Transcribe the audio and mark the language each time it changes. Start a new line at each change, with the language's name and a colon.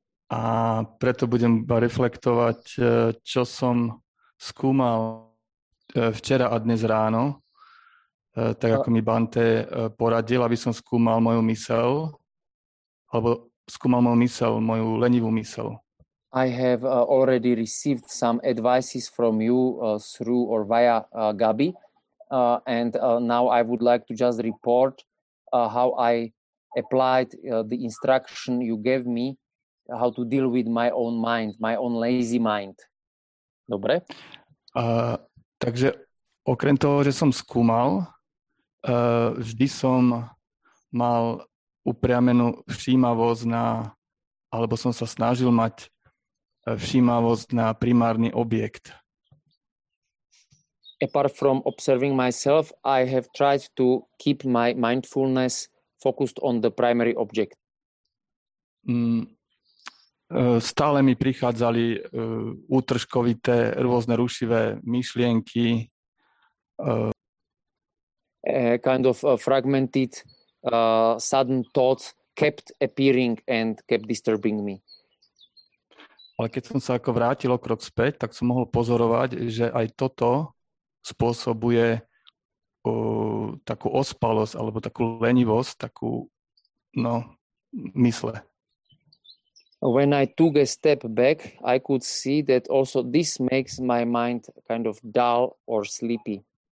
Slovak: A preto budem reflektovať, čo som skúmal včera a dnes ráno, tak ako mi Bante poradil, aby som skúmal moju mysel, alebo skúmal moju mysel, moju lenivú mysel.
English: I have already received some advices from you through or via Gabi, and now I would like to just report how I applied the instruction you gave me how to deal with my own mind, my own lazy mind.
Slovak: Dobre? Takže okrem toho, že som skúmal, vždy som mal upriamenú všímavosť na, alebo som sa snažil mať všímavosť na primárny objekt.
English: Apart from observing myself, I have tried to keep my mindfulness focused on the primary object.
Slovak: Stále mi prichádzali útržkovité, rôzne rušivé myšlienky.
English: Fragmented, sudden thoughts kept appearing and kept disturbing me.
Slovak: Ale keď som sa ako vrátil o krok späť, tak som mohol pozorovať, že aj toto spôsobuje takú ospalosť alebo takú lenivosť, takú no, mysle.
English: When I took a step back, I could see that also this makes my mind kind of dull or sleepy.